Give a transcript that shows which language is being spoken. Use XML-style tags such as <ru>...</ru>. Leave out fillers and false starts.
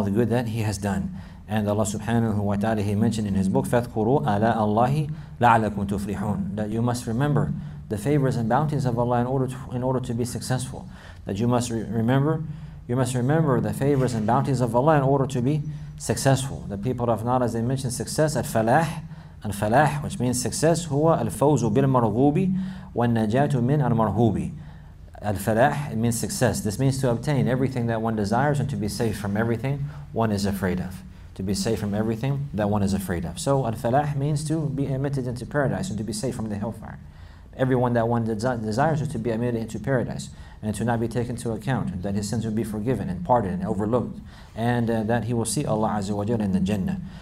<en>And Allah subhanahu wa ta'ala, He mentioned in His book,</en> <ar>فَاذْكُرُوا أَلَاءَ اللَّهِ لَعَلَكُمْ تُفْلِحُونَ.</ar> <en>That you must remember the favors and bounties of Allah in order to be successful. That you must remember the favors and bounties of Allah in order to be successful. The people of knowledge, they mentioned success at falah,</en> <ar>الفلاح,</ar> <en>which means success,</en> <ar>هو الفوز بالمرغوب والنجاة من المرهوب.</ar> <en>الفلاح, it means success. This means to obtain everything that one desires and to be safe from everything one is afraid of. To be safe from everything that one is afraid of. So الفلاح means to be admitted into paradise and to be safe from the hellfire. Everyone that one desires is to be admitted into paradise and to not be taken into account, that his sins will be forgiven and pardoned and overlooked, and that he will see Allah Azza wa Jalla in the Jannah.</en>